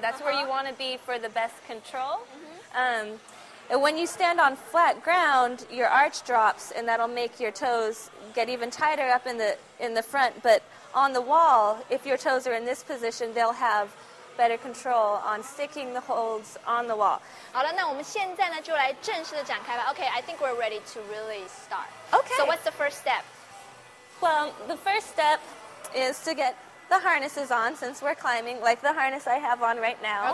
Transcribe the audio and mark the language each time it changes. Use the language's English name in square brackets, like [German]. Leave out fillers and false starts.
[English] That's where you want to be for the best control. Mm-hmm. And when you stand on flat ground, your arch drops and that'll make your toes get even tighter up in the front. But on the wall, if your toes are in this position, they'll have... better control on sticking the holds on the wall. [Chinese] 好了，那我们现在呢就来正式的展开吧。 [English] Okay, I think we're ready to really start. Okay. So what's the first step? Well, the first step is to get the harnesses on since we're climbing, like the harness I have on right now.